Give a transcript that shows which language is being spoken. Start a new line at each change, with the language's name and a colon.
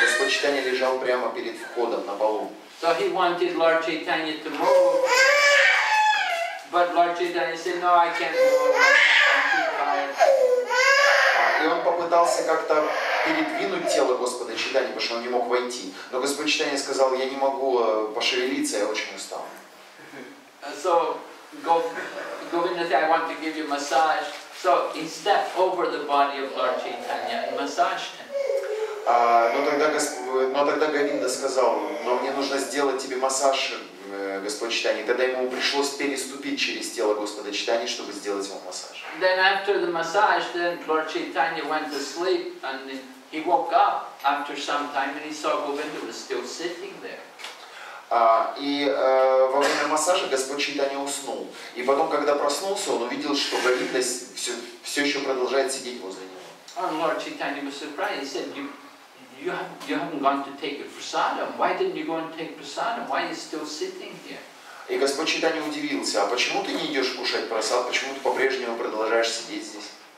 Russian: Господь Чайтанье лежал прямо перед входом на полу.
English: So he wanted Lord Chaitanya to move. But Lord Chaitanya said, no, I can't move.
Russian: И он попытался как-то передвинуть тело Господа Чайтанья, потому что он не мог войти. Но Господь Чайтанья сказал, я не могу пошевелиться, я очень устал.
English: So, Govinda said, I want to give you massage. So, he stepped over the body of Lord Chaitanya and massaged him.
Russian: Но тогда Говинда сказал, но мне нужно сделать тебе массаж, Господь Чайтанья. Тогда ему пришлось переступить через тело Господа Чайтанья, чтобы сделать ему массаж.
English: Then after the massage, then Lord Chaitanya went to sleep, and he woke up after some time, and he saw Govinda was still sitting there.
Russian: Во время массажа Господь Чайтанья уснул, и потом, когда проснулся, он увидел, что Говинда все еще продолжает сидеть возле него.
English: And Lord Chaitanya was surprised. He said, "You haven't gone to take your prasadam. Why didn't you go and take prasadam? Why are you still sitting here?"
Russian: И Господь Чайта не удивился, а почему ты не идешь кушать просад, почему ты по-прежнему продолжаешь сидеть здесь?